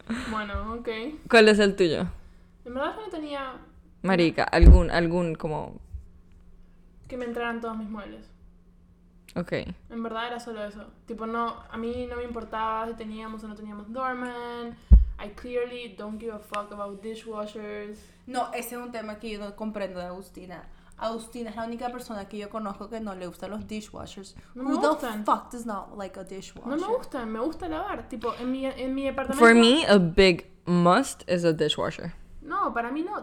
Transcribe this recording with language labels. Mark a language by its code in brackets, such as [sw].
[es] Bueno, okay. ¿Cuál es el tuyo? En verdad yo no tenía. Marica, algún como. Que me entraran todos mis muebles. Okay. En verdad era solo eso. Tipo, no, a mí no me importaba si teníamos o no teníamos doorman. [en] I clearly don't give a fuck about dishwashers. [es] No, ese es un tema que yo no comprendo de Agustina. Agustina es la única persona que yo conozco que no le gustan los dishwashers. No me [en] Who [es] gustan. [en] The fuck does not like a dishwasher? [es] No me gustan, me gusta lavar. Tipo, en mi apartamento. [en] For me, a big must is a dishwasher. [es] No, para mí no.